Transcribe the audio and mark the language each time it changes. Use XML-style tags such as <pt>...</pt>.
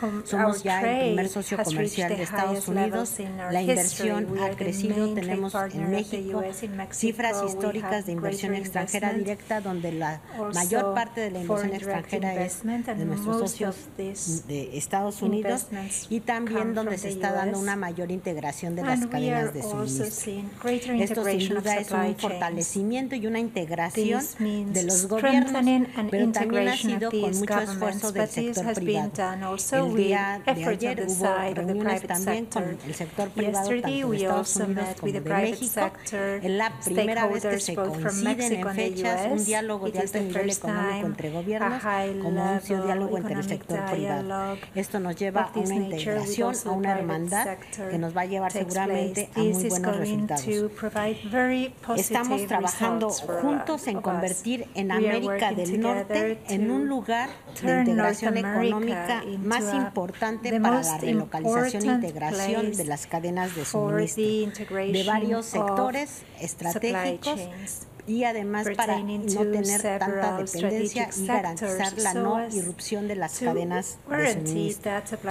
<es>Somos ya el primer socio comercial de Estados Unidos. La inversión ha crecido, tenemos en México cifras históricas de inversión extranjera directa, donde la mayor parte de la inversión extranjera es de nuestros socios de Estados Unidos, y también donde se está dando una mayor integración de las cadenas de suministro. Esto sin duda es un fortalecimiento y una integración de los gobiernos, pero también ha sido con mucho esfuerzo del sector privado. El día de ayer hubo reuniones también con el sector privado</es> <en>Yesterday, we also met with the private sector stakeholders, both from Mexico and the U.S. It is the first time a high-level economic dialogue of this nature with the private sector takes place. This is going to provide very positive results for us.</en> <es>En convertir en América del Norte en un lugar de integración económica más importante para la relocalización e integración de las cadenas de suministro de varios sectores estratégicos y además para no tener tanta dependencia y garantizar la no irrupción de las cadenas de suministro.</es>